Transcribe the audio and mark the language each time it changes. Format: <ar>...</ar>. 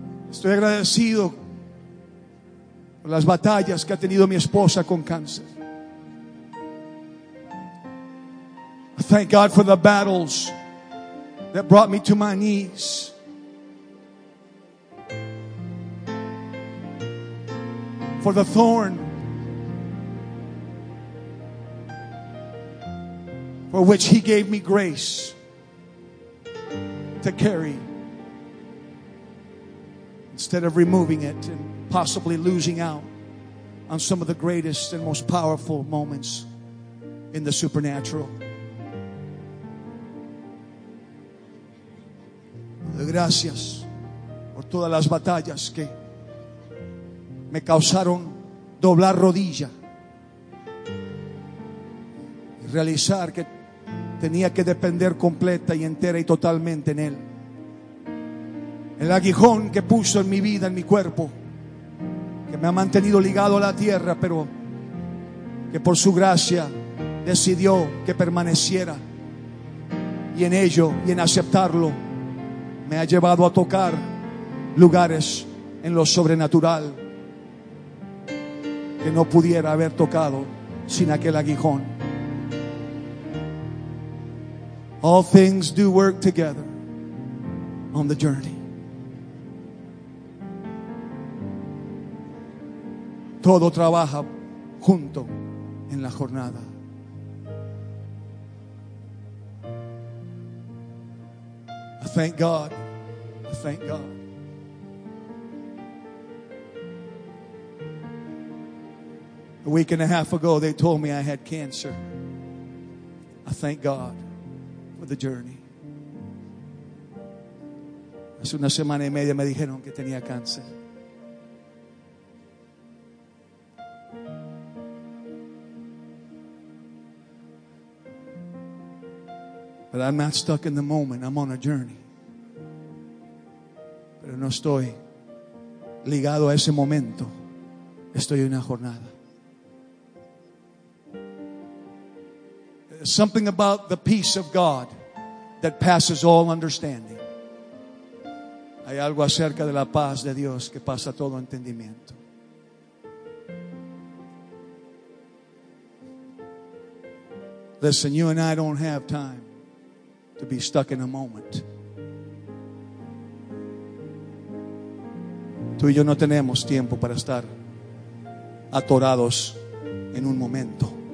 <es>Estoy agradecido por las batallas que ha tenido mi esposa con cáncer.</es> <en>I thank God for the battles that brought me to my knees. For the thorn for which He gave me grace to carry instead of removing it and possibly losing out on some of the greatest and most powerful moments in the supernatural.</en> <es>Gracias por todas las batallas que me causaron doblar rodilla y realizar que tenía que depender completa y entera y totalmente en Él. El aguijón que puso en mi vida, en mi cuerpo, que me ha mantenido ligado a la tierra, pero que por su gracia decidió que permaneciera, y en ello y en aceptarlo me ha llevado a tocar lugares en lo sobrenatural que no pudiera haber tocado sin aquel aguijón.</es> <en>All things do work together on the journey.</en> <es>Todo trabaja junto en la jornada.</es> <en>I thank God. A week and a half ago, they told me I had cancer. I thank God for the journey.</en> <es>Hace una semana y media me dijeron que tenía cáncer.</es> <en>But I'm not stuck in the moment. I'm on a journey.</en> <es>Pero no estoy ligado a ese momento. Estoy en una jornada.</es> <en>Something about the peace of God that passes all understanding.</en> <es>Hay algo acerca de la paz de Dios que pasa todo entendimiento.</es> <en>Listen, you and I don't have time to be stuck in a moment.</en> <es>Tú y yo no tenemos tiempo para estar atorados en un momento.</es>